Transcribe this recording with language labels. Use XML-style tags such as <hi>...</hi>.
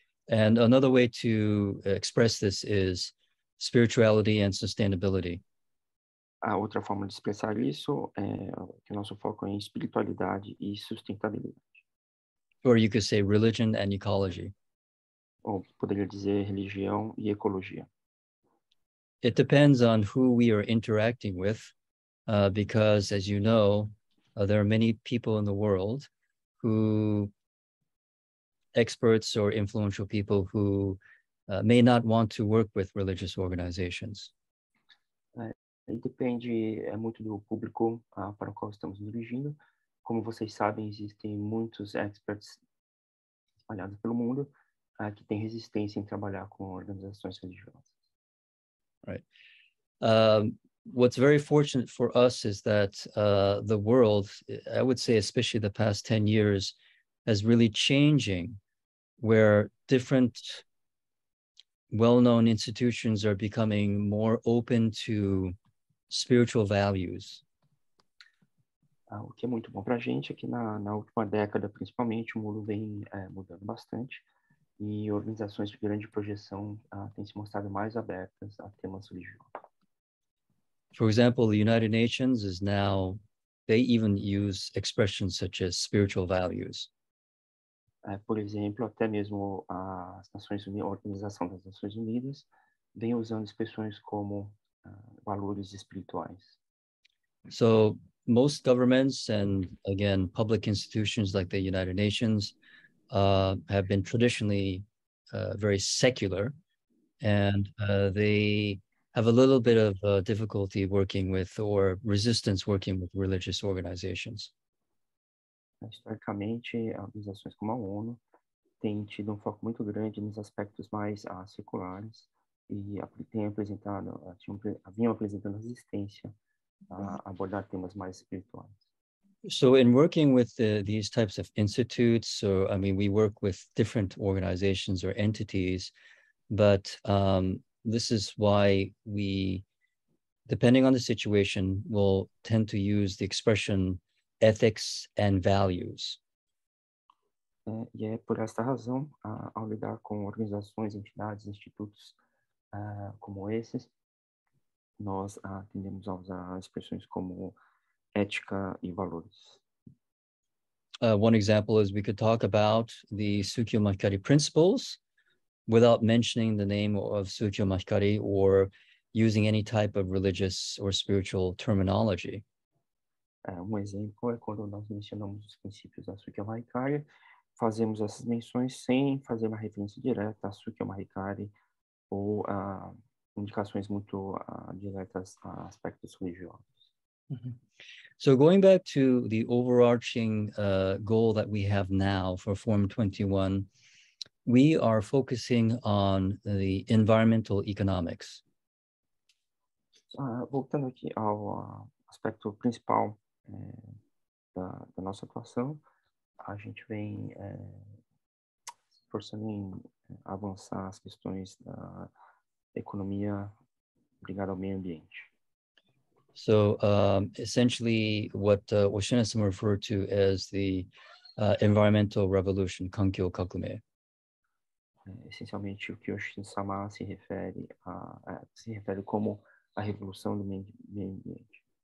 <en>And another way to express this is spirituality and sustainability.</en> <pt>A outra forma de expressar isso é que nosso foco é em espiritualidade e sustentabilidade.</pt> <en>Or you could say religion and ecology.</en> <pt>Ou poderia dizer religião e ecologia.</pt> <en>It depends on who we are interacting with, because as you know, there are many people in the world who experts or influential people who may not want to work with religious organizations.</en> <pt>Depende muito do público para o qual estamos dirigindo. Como vocês sabem, existem muitos experts espalhados pelo mundo que têm resistência em trabalhar com organizações religiosas.</pt> <en>Right. What's very fortunate for us is that the world, I would say, especially the past 10 years, has really changing. Where different well-known institutions are becoming more open to spiritual values.</en> <pt>O que é muito bom para a gente é que na última década, principalmente, o mundo vem mudando bastante e organizações de grande projeção têm se mostrado mais abertas a temas religiosos.</pt> <en>For example, the United Nations is now, they even use expressions such as spiritual values.</en> <pt>Por exemplo, até mesmo as Nações Unidas, a Organização das Nações Unidas, vem usando expressões como valores espirituais.</pt> <en>So most governments and again public institutions like the United Nations have been traditionally very secular, and they have a little bit of difficulty working with or resistance working with religious organizations.</en> <pt>Historicamente, organizações como a ONU têm tido foco muito grande nos aspectos mais seculares e haviam apresentado resistência a abordar temas mais espirituais.</pt> <en>So in working with these types of institutes, or I mean, we work with different organizations or entities, but this is why we, depending on the situation, will tend to use the expression ethics and values.</en> <pt>E por esta razão, ao lidar com organizações, entidades, institutos como esses, nós tendemos a usar expressões como ética e valores.</pt> <en>One example is we could talk about the Sukyo Makari principles without mentioning the name of Sukyo Makari or using any type of religious or spiritual terminology.</en> <pt>Um exemplo é quando nós mencionamos os princípios da Sukyo Makari, fazemos essas menções sem fazer uma referência direta a Sukyo Makari ou a indicações muito diretas a aspectos religiosos.</pt> <en>So going back to the overarching goal that we have now for Forum 21, we are focusing on the environmental economics.</en> <pt>Voltando aqui ao aspecto principal da nossa atuação, a gente vem forçando em avançar as questões da economia ligada ao meio ambiente.</pt> <en>So, essentially, what Oshina-san referred to as the environmental revolution, Kankyo Kakume.</en> <pt>Essencialmente, o que Oshina-sama se refere como a revolução do meio ambiente.</pt>